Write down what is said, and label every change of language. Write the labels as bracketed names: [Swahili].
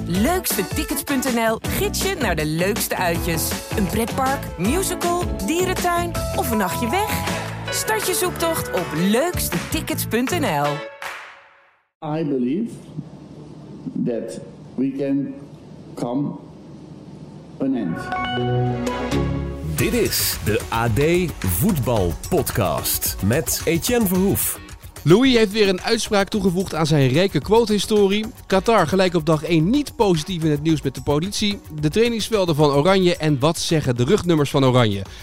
[Dutch] Leukstetickets.nl gids je naar de leukste uitjes. Een pretpark, musical, dierentuin of een nachtje weg? Start je zoektocht op leukstetickets.nl. [English] I believe that we can come an end. [Dutch] Dit is de AD Voetbal Podcast met Etienne Verhoef. Louis heeft weer een uitspraak toegevoegd aan zijn rijke quotehistorie. Qatar gelijk op dag 1 niet positief in het nieuws met de politie. De trainingsvelden van Oranje en wat zeggen de rugnummers van Oranje?